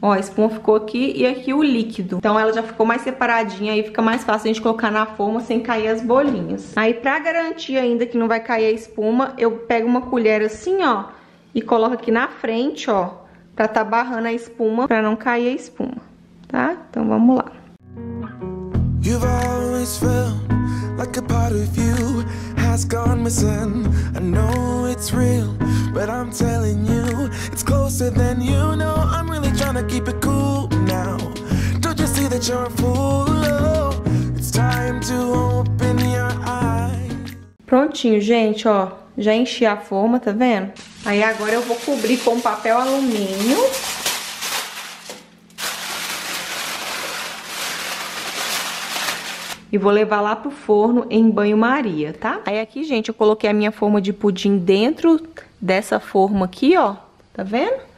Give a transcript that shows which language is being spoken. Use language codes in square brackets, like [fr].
[pt] Ó, a espuma ficou aqui e aqui o líquido. Então ela já ficou mais separadinha e fica mais fácil a gente colocar na forma sem cair as bolinhas. Aí, para garantir ainda que não vai cair a espuma, eu pego uma colher assim, ó, e coloco aqui na frente, ó. Pra tá barrando a espuma, pra não cair a espuma, tá? Então vamos lá. [en] You've always felt like a part of you has gone missing. I know it's real, but I'm telling you, it's closer than you know. I'm really trying to keep it cool now. Don't you see that you're a fool? Oh, it's time to open your eyes. [pt] Prontinho, gente, ó. Já enchi a forma, tá vendo? Aí agora eu vou cobrir com papel alumínio. E vou levar lá pro forno em banho-maria, tá? Aí aqui, gente, eu coloquei a minha forma de pudim dentro dessa forma aqui, ó. Tá vendo?